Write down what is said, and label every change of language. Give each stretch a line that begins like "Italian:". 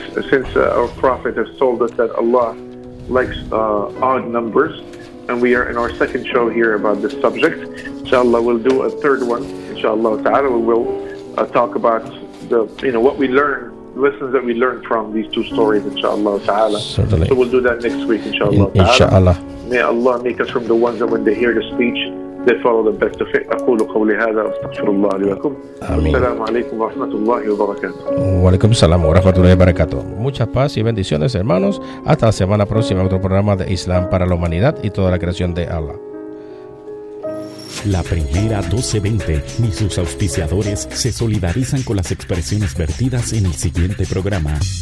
English: Since our prophet has told us that Allah likes odd numbers, and we are in our second show here about this subject, inshallah we'll do a third one, inshallah ta'ala, we will talk about the, you know, what we learn, lessons that we learn from these two stories, inshallah ta'ala. Certainly. So we'll do that next week, inshallah. Inshallah. May Allah make us from the ones that when they hear the speech, they follow the best of it.
Arabic: أقول قولي هذا وأستغفر الله لي ولكم. آمين. السلام عليكم ورحمة الله وبركاته. وعليكم السلام ورحمة الله وبركاته.
Spanish: Mucha paz y bendiciones, hermanos. Hasta la semana próxima, otro programa de Islam para la humanidad y toda la creación de Allah. La primera 1220 ni sus auspiciadores se solidarizan con las expresiones vertidas en el siguiente programa.